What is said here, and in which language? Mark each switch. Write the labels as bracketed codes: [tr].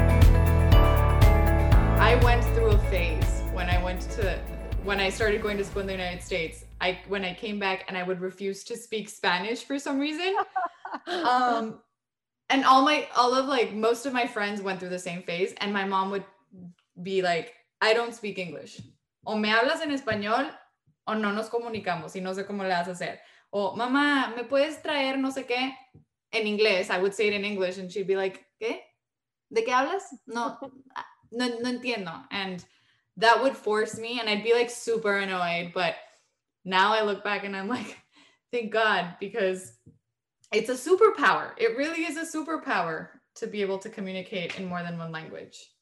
[en] I went through a phase when I started going to school in the United States. When I came back and I would refuse to speak Spanish for some reason. And most of my friends went through the same phase. And my mom would be like, I don't speak English. [es] O me hablas en español o no nos comunicamos y no sé cómo le vas a hacer. O mamá, me puedes traer no sé qué en inglés. [en] I would say it in English and she'd be like, [es] ¿qué? ¿De qué hablas? No entiendo. [en] And that would force me and I'd be like super annoyed. But now I look back and I'm like, thank God, because it's a superpower. It really is a superpower to be able to communicate in more than one language.